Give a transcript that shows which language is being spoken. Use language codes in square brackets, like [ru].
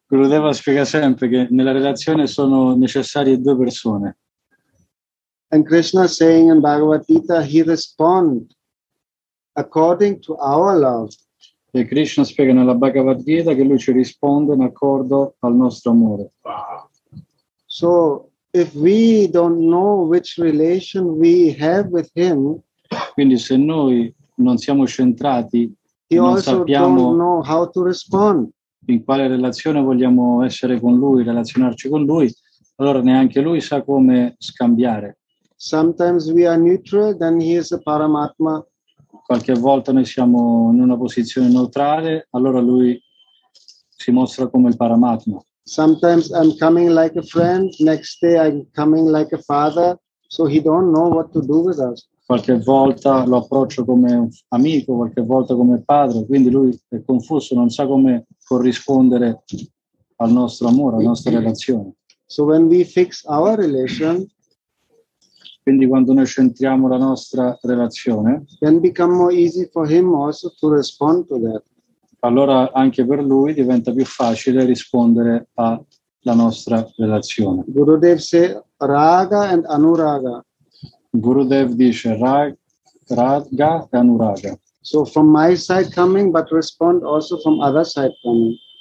[it] Gurudeva spiega sempre che nella relazione sono necessarie due persone. [en] And Krishna saying in Bhagavad Gita, he respond according to our love. [it] E Krishna spiega nella Bhagavad Gita che lui ci risponde in accordo al nostro amore. [en] So, if we don't know which relation we have with him, [it] quindi se noi non siamo centrati, [en] he [it] non [en] also [it] sappiamo [en] don't know how to respond. [it] In quale relazione vogliamo essere con lui, relazionarci con lui, allora neanche lui sa come scambiare. [en] Sometimes we are neutral, then he is a Paramatma. [it] Qualche volta noi siamo in una posizione neutrale, allora lui si mostra come il Paramatma. [en] Sometimes I'm coming like a friend, next day I'm coming like a father, so he don't know what to do with us. [it] Qualche volta lo approccio come un amico, qualche volta come padre, quindi lui è confuso, non sa come corrispondere al nostro amore, alla nostra relazione. [en] So when we fix our relation, [it] quindi quando noi centriamo la nostra relazione, [en] then become more easy for him also to respond to that. [it] Allora anche per lui diventa più facile rispondere alla nostra relazione. Gurudev dice Raga and Anuraga. Gurudev dice Raga e Anuraga. [en] So from my side coming, but respond also from other side coming.